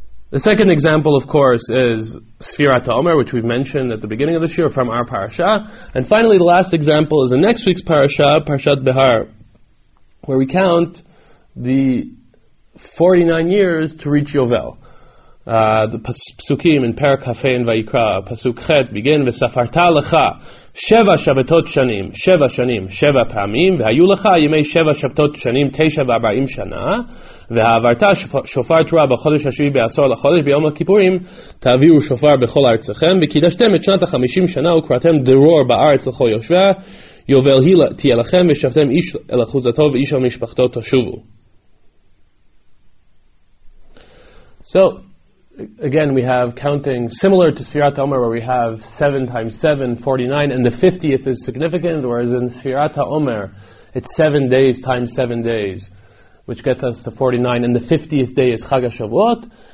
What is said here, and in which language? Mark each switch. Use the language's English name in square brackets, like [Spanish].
[English] The second example, of course, is Sfirat HaOmer, which we've mentioned at the beginning of the shiur from our parasha. And finally, the last example is the next week's parasha, Parashat Behar, where we count the 49 years to reach Yovel. The Pasukim in Perek Hafei and Vayikra, Pasuk Chet, begin, [Hebrew] V'safarta lecha, Sheva Shabbatot Shanim, Sheva Shanim, Sheva Pamim, V'hayu lecha, Yimei Sheva Shabbatot Shanim, Teisha V'arba'im Shana, והעברת שופר תרועה בחודש השביעי בעשור לחודש ביום הכיפורים תעבירו שופר בכל ארצכם וקידשתם את שנת החמישים שנה וקראתם דרור בארץ לכל יושביה יובל היא תהיה לכם ושבתם איש אל אחוזתו ואיש המשפחתו תשובו. [English] So again we have counting similar to Sfirat HaOmer where we have 7 times 7, 49, and the 50th is significant, whereas in Sfirat HaOmer it's 7 days times 7 days, which gets us to 49, and the 50th day is Chag HaShavuot.